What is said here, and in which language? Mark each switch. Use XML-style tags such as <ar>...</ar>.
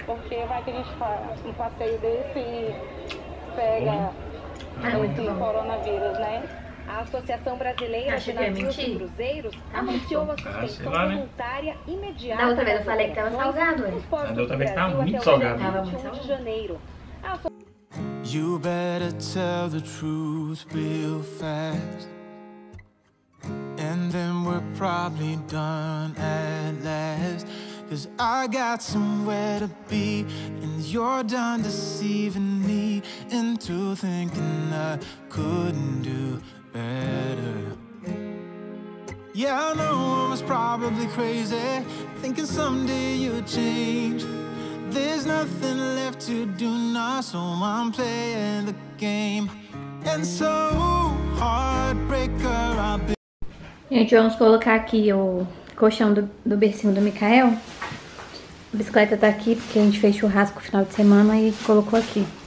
<pt>Porque vai que a gente faz um passeio desse e pega esse coronavírus, né? A Associação Brasileira de Navios e Cruzeiros anunciou a suspensão voluntária imediata. Da outra vez eu falei que estava salgado, né? Da outra vez estava muito salgado. Estava muito salgado. De janeiro.</pt> <en>You better tell the truth real fast, and then we're probably done at last. 'Cause I got somewhere to be, and you're done deceiving me into thinking I couldn't do better. Yeah, I know I was probably crazy, thinking someday you'd change. There's nothing left to do now, so I'm playing the game. And so, heartbreaker, I'll be...</en> <pt>Gente, vamos colocar aqui o colchão do bercinho do Mikael. A bicicleta tá aqui, porque a gente fez churrasco no final de semana e colocou aqui.</pt>